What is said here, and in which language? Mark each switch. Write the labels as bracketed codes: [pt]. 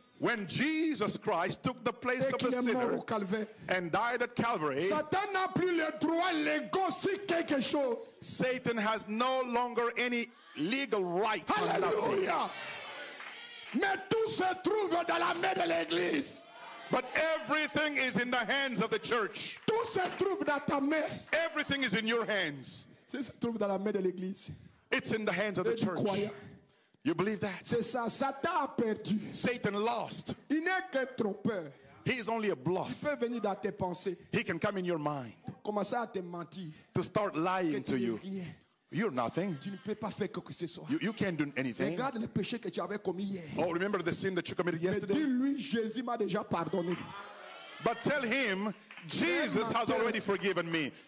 [en] When Jesus Christ took the place of a sinner and died at Calvary, [fr] Satan n'a plus le droit légal sur quelque chose. [en] Satan has no longer any legal right. Hallelujah! [fr] Mais tout se trouve dans la main de l'église. [en] But everything is in the hands of the church. [fr] Tout se trouve dans ta main. [en] Everything is in your hands. [fr] Tout se trouve dans la main de l'église. [en] It's in the hands of the church. [fr] Croyant. [en] You believe that? [fr] C'est ça, Satan a perdu. [en] Satan lost. [fr] Il n'est qu'un trompeur. [en] He is only a bluff. [fr] Il peut venir dans tes pensées. [en] He can come in your mind. [fr] Commencer à te mentir. [en] To start lying to you. [fr] Rien. [en] You're nothing. [fr] Tu ne peux pas faire quoi que ce soit. [en] You can't do anything. [fr] Regarde le péché que tu avais commis hier. [en] Oh, remember the sin that you committed yesterday? [fr] Mais dis-lui, Jésus m'a déjà pardonné. [en] But tell him, Jesus has already forgiven me.